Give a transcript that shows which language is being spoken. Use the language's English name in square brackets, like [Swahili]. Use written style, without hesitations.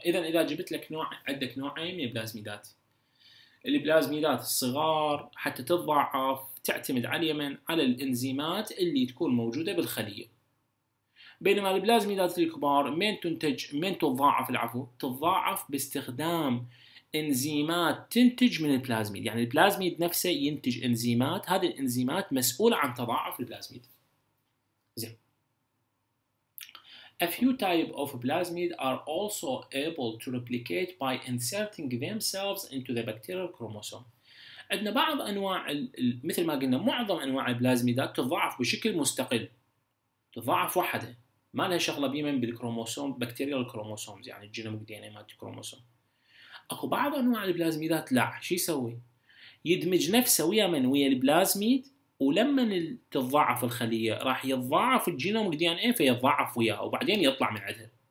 [Arabic] اذا جبت لك نوع، عندك نوعين من البلازميدات، البلازميدات الصغار حتى تضاعف تعتمد على يمن؟ على الانزيمات اللي تكون موجودة بالخلية، بينما البلازميدات الكبار من تنتج، من تضاعف العفو، تضاعف باستخدام انزيمات تنتج من البلازميد، يعني البلازميد نفسه ينتج انزيمات، هذه الانزيمات مسؤولة عن تضاعف البلازميد. زين. [English] A few type of plasmid are also able to replicate by inserting themselves into the bacterial chromosome. [Arabic] عندنا بعض انواع مثل ما قلنا معظم انواع البلازميدات تضاعف بشكل مستقل، تضاعف وحده، ما لها شغلة بيمن بالكروموسوم، بكتيريال كروموسومز، يعني الجينوميك دي ان اي مالت الكروموسوم. اكو بعض انواع البلازميدات لا، شو يسوي؟ يدمج نفسه ويا من؟ ويا البلازميد، ولما تتضاعف الخلية راح يتضاعف الجينوميك دي ان اي فيتضاعف وياه وبعدين يطلع من عندها.